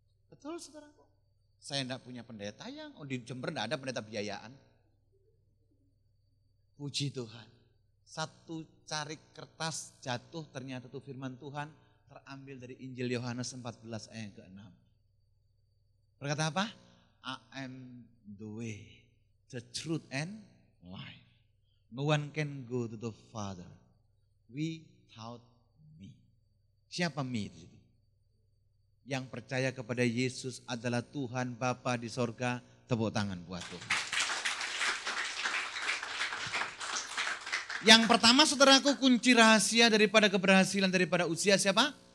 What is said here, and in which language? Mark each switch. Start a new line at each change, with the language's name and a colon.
Indonesian: Betul saudaraku, saya tidak punya pendeta yang di Jember tidak ada pendeta biayaan. Puji Tuhan, satu carik kertas jatuh ternyata itu firman Tuhan terambil dari Injil Yohanes 14 ayat ke-6. Berkata apa?
English: I am the way, the truth and life. No one can go to the Father without me.
Indonesian: Siapa me itu? Yang percaya kepada Yesus adalah Tuhan Bapa di sorga, tepuk tangan buat Tuhan. Yang pertama saudaraku, kunci rahasia daripada keberhasilan daripada usia siapa?